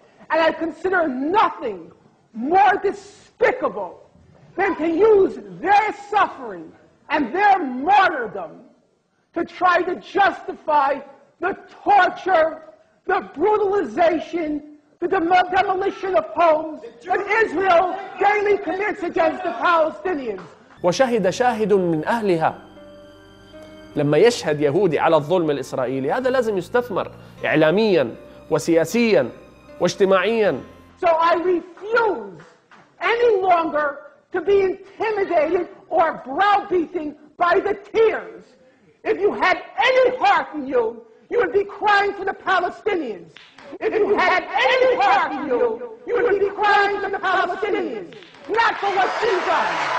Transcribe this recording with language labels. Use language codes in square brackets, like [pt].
[en] And I consider nothing more despicable than to use their suffering and their martyrdom to try to justify the torture, the brutalization, the demolition of homes that Israel daily commits against the Palestinians. [ar] وشهد شاهد من أهلها. لما يشهد يهودي على الظلم الإسرائيلي هذا لازم يستثمر إعلاميا وسياسيا واجتماعيا. [en] So I refuse any longer to be intimidated or browbeating by the tears. If you had any heart in you, you would be crying for the Palestinians. If you had any heart in you, you would be crying for the Palestinians, not for what she done.